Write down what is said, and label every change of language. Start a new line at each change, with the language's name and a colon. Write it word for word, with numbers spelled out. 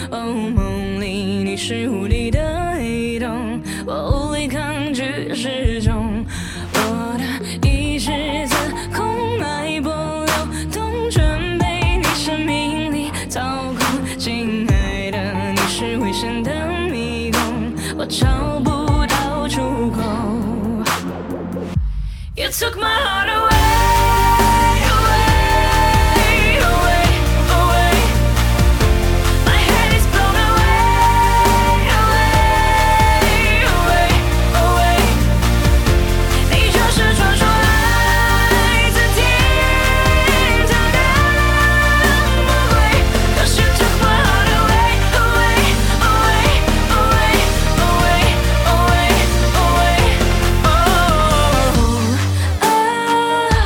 Chinese: 哦，梦里你是无力的黑洞，我无力抗拒失重。我的意识自控，脉搏流动，准备你生命里操控。亲爱的，你是危险的迷宫，我找不到出口。
English: You took my heart away, away, away, away. My head is blown away, away, away, away.
Chinese: 你就是传说来自天堂的魔鬼。
English: 'Cause you took my heart away, away, away, away, away, away, away, oh. Oh,